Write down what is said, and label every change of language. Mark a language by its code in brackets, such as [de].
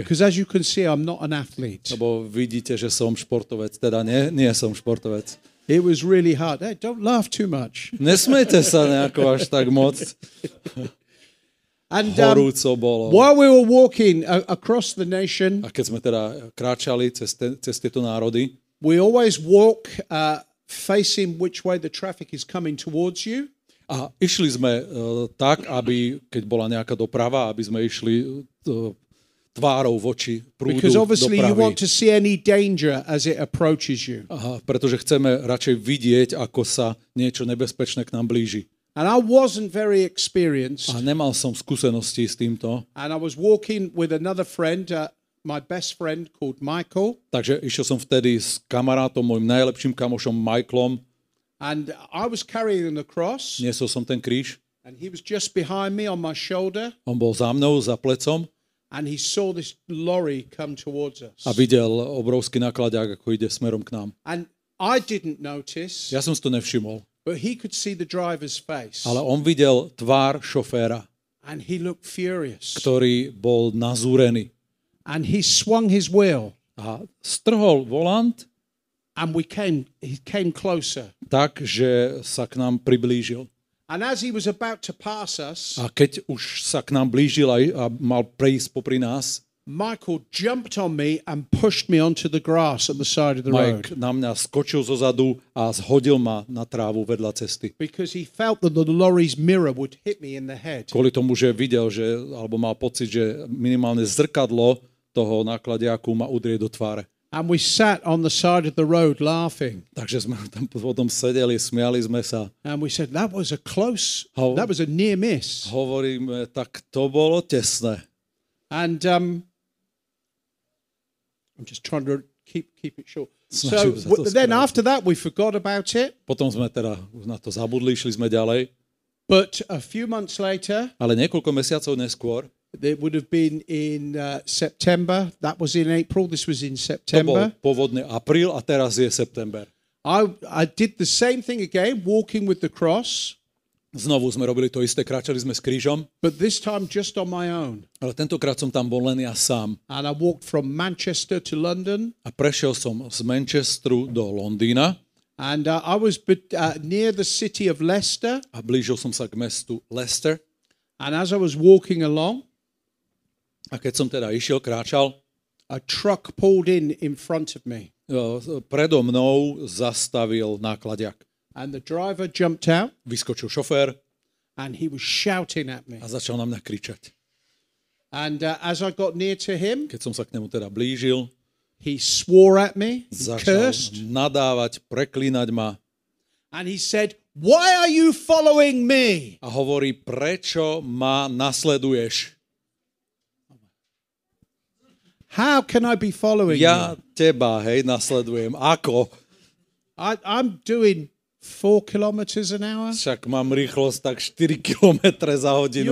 [en] Because as you can see, I'm not an athlete. [sk] Lebo vidíte, že som športovec, teda nie som športovec. [en] It was really hard. Hey, don't laugh too much. [sk] Nesmejte sa nejako až tak moc. [en] And [sk] horúco bolo. [en] While we were walking across the nation, [sk] a keď sme teda kráčali cez tieto národy, [en] we always walk facing which way the traffic is coming towards you. [sk] A išli sme tak, aby keď bola nejaká doprava, aby sme išli tvárou voči prúdu dopravy. [en] Because obviously you want to see any danger as it approaches you. [sk] Aha, pretože chceme radšej vidieť, ako sa niečo nebezpečné k nám blíži. [en] And I wasn't very experienced. [sk] A nemal som skúsenosti s týmto. [en] And I was walking with another friend, my best friend called Michael. [sk] Takže išiel som vtedy s kamarátom, môjim najlepším kamošom Michaelom. [en] And I was carrying the cross. [sk] Niesol som ten kríž. [en] And he was just behind me on my shoulder. [sk] On bol za mnou, za plecom. [en] And he saw this lorry come towards us. [sk] A videl obrovský nakladák, ako ide smerom k nám. [en] And I didn't notice. [sk] Ja som si to nevšimol. [en] But he could see the driver's face. [sk] Ale on videl tvár šoféra. [en] And he looked furious. [sk] Ktorý bol nazúrený. [en] And he swung his wheel. [sk] A strhol volant. [en] And he came closer. [sk] Tak, že sa k nám priblížil. [en] And as he was about to pass us. [sk] A keď už sa k nám blížil a mal prejsť popri nás. [en] Michael jumped on me and pushed me onto the grass at the side of the Mike road. [sk] Mike na mňa skočil zozadu a zhodil ma na trávu vedľa cesty. [en] Because he felt that the lorry's mirror would hit me in the head. [sk] Kvôli tomu, že videl, že alebo mal pocit, že minimálne zrkadlo toho nákladiaku ma udrie do tváre. [en] And we sat on the side of the road laughing. Takže sme tam potom sedeli, smiali sme sa. And we said that was a close. That was a near miss. [sk] Hovoríme, tak to bolo tesné. [en] And I'm just trying to keep it short. So then after that we forgot about it. [sk] Potom sme teda na to zabudli, išli sme ďalej. [en] But a few months later. [sk] Ale niekoľko mesiacov neskôr. [en] It would have been in September. That was in April. This was in September. [sk] To bol pôvodne apríl a teraz je september. [en] I did the same thing again, walking with the cross. [sk] Znovu sme robili to isté, kráčali sme s krížom. [en] But this time just on my own. [sk] Ale tentokrát som tam bol len ja sám. [en] And I walked from Manchester to London. [sk] A prešiel som z Manchesteru do Londýna. [en] And I was near the city of Leicester. [sk] A blížil som sa k mestu Leicester. [en] And as I was walking along, [sk] a keď som teda išiel, kráčal, [en] a truck pulled in front of me. [sk] Predo mnou zastavil nákladiak. [en] And the driver jumped out. [sk] Vyskočil šofér. [en] And he was shouting at me. [sk] A začal na mňa kričať. [en] And as I got near to him, [sk] keď som sa k nemu teda blížil, [en] he swore at me, [sk] začal [en] cursed, [sk] nadávať, preklínať ma. [en] And he said, "Why are you following me?" [sk] A hovorí, prečo ma nasleduješ? [en] How can I be following [sk] ja Ja teba, hej, nasledujem. Ako? [en] I'm doing 4 kilometers an hour? [sk] Však mám rýchlosť tak 4 kilometre za hodinu.